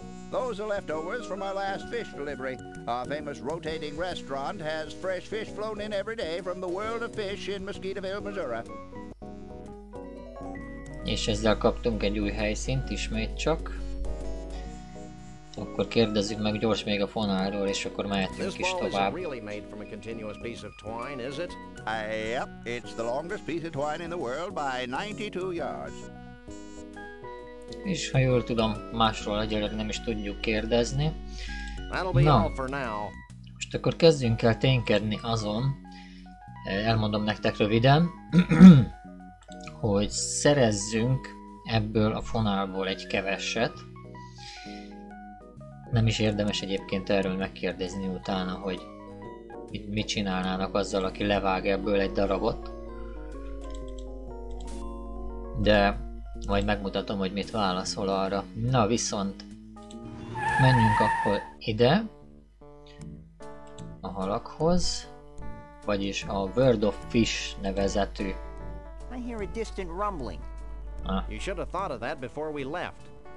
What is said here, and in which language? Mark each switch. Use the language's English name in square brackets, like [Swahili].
[English] Those are leftovers from our last fish delivery. Our famous rotating restaurant has fresh fish flown in every day from the world of fish in Mosquitoville, Missouri. [Hungarian] És ezzel kaptunk egy új helyszínt ismét csak. Akkor kérdezzük meg gyors még a fonálról, és akkor mehetünk is tovább. [English] This ball is really made from a continuous piece of twine, is it? Yep, it's the longest piece of twine in the world by 92 yards. [Hungarian] És ha jól tudom, másról egyelőre nem is tudjuk kérdezni. Na, most akkor kezdjünk el ténykedni azon, elmondom nektek röviden, hogy szerezzünk ebből a fonálból egy keveset. Nem is érdemes egyébként erről megkérdezni utána, hogy mit csinálnának azzal, aki levág ebből egy darabot. De majd megmutatom, hogy mit válaszol arra. Na viszont, menjünk akkor ide, a halakhoz, vagyis a World of Fish nevezetű. [English] I hear a distant rumbling. You should have thought of that before we left.